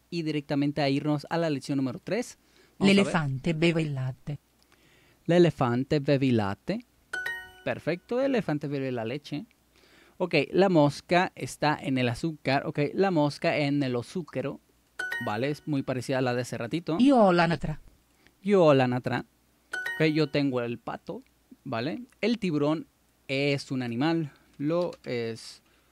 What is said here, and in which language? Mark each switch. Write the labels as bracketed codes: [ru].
[es] Y directamente a irnos a la lección número 3. [it] L'elefante beve il latte. L'elefante beve il latte. [es] Perfecto, el elefante bebe la leche. Ok, la mosca está en el azúcar. Ok, la mosca en el azúcaro. Vale, es muy parecida a la de hace ratito. [it] Yo l'anatra. [es] Ok, yo tengo el pato. Vale, el tiburón es un animal. Lo es.